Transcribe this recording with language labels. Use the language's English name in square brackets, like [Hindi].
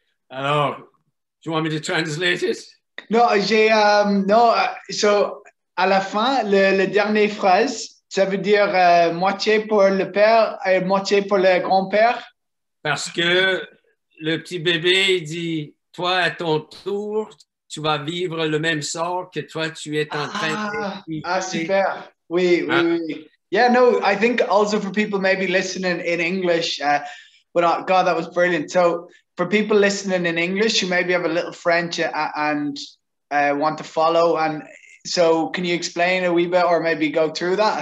[French] Alors, [English] do you want me to translate it? [French] Non, j'ai... So, à la fin, le dernier phrase, ça veut dire moitié pour le père et moitié pour le grand-père? Parce que le petit bébé dit, toi, à ton tour, tu vas vivre le même sort que toi, tu es en train de vivre. Ah, super. Oui, oui, oui. [English] Yeah, no, I think also for people maybe listening in English, God, that was brilliant. So, for people listening in English, you maybe have a little French and want to follow. And so, can you explain a wee bit or maybe go through that?